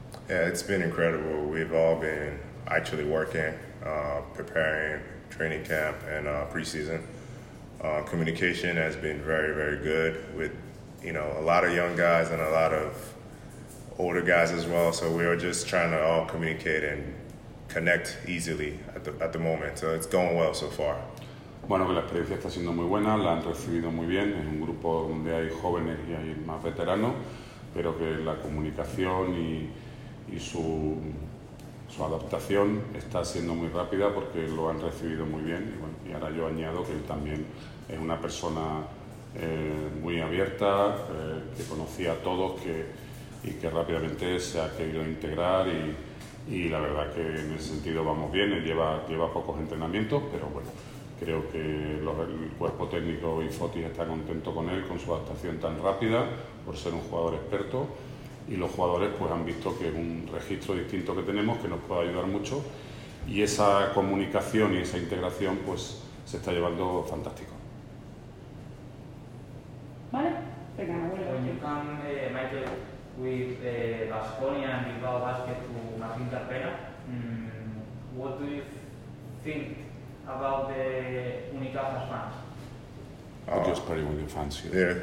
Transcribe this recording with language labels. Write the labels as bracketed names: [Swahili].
[English] Yeah, it's been incredible. We've all been actually working, preparing training camp and preseason. Communication has been very, very good with, you know, a lot of young guys and a lot of older guys as well. So we are just trying to all communicate and connect easily at the moment. So it's going well so far. [Spanish] Bueno, la experiencia está siendo muy buena. La han recibido muy bien. Es un grupo donde hay jóvenes y hay más veteranos, pero que la comunicación y su adaptación está siendo muy rápida porque lo han recibido muy bien. Y bueno, y ahora yo añado que él también es una persona muy abierta, que conocía a todos, que rápidamente se ha querido integrar y la verdad que en ese sentido vamos bien. Él lleva pocos entrenamientos, pero bueno, creo que el cuerpo técnico y Fotis está contento con él, con su adaptación tan rápida, por ser un jugador experto. Y los jugadores pues han visto que es un registro distinto que tenemos que nos puede ayudar mucho y esa comunicación y esa integración pues se está llevando fantástico. Vale, venga, bueno. [English] When you come, Michael, with Baskonia and Bilbao Basket to Martín Carpena, what do you think about the Unicaja fans? Just party with your fans here.